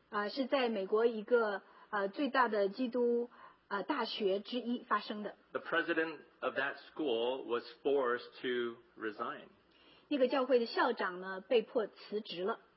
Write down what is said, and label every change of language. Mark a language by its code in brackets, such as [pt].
[zh] 是在美国一个最大的基督大学之一发生的。 [en] The president of that school was forced to resign. [zh] 那个教会的校长呢，被迫辞职了。